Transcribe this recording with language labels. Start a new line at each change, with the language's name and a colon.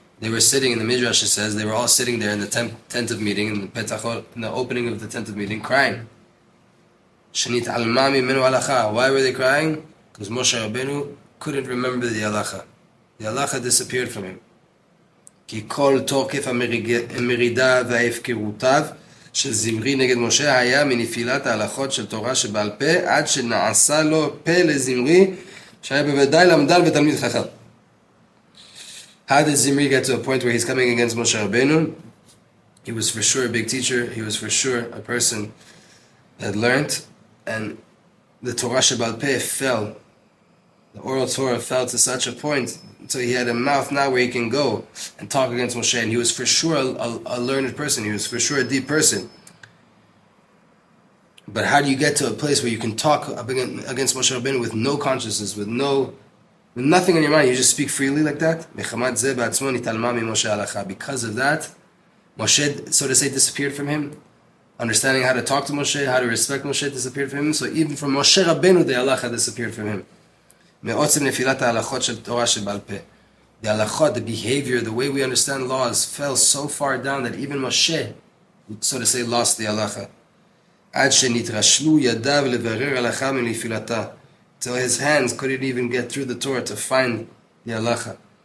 English: They were sitting in the midrash. It says they were all sitting there in the tent of meeting, in the opening of the tent of meeting, crying.
Hebrew: Shenit alma mimenu halacha.
English: Why were they crying? Because Moshe Rabbeinu couldn't remember the halacha. The halacha disappeared from him.
Hebrew: Ki kol tokef amirida vaefkirutav. של זמרי נגד משה היה מנפילת ההלכות של תורה שבעל פה עד שנעשה לו פה לזמרי שהיה בוודאי למדל ותלמיד חכם.
English: How did Zimri get to a point where he's coming against Moshe Rabbeinu? He was for sure a big teacher. He was for sure a person that learned. And the Torah שבעל פה fell. The oral Torah fell to such a point. So he had a mouth now where he can go and talk against Moshe. And he was for sure a learned person. He was for sure a deep person. But how do you get to a place where you can talk against Moshe Rabbeinu with no consciousness, with nothing in your mind? You just speak freely like that? Because of that, Moshe, so to say, disappeared from him. Understanding how to talk to Moshe, how to respect Moshe disappeared from him. So even from Moshe Rabbeinu, the halacha disappeared from him.
Hebrew: מעוצם נפילת ההלכות של תורה שבעל פה.
English: The halachot, the behavior, the way we understand laws fell so far down that even Moshe, so to say, lost the halacha.
Hebrew: עד שנתרשלו ידיו לברר הלכה מנפילתה.
English: till his hands couldn't even get through the Torah to find the halacha.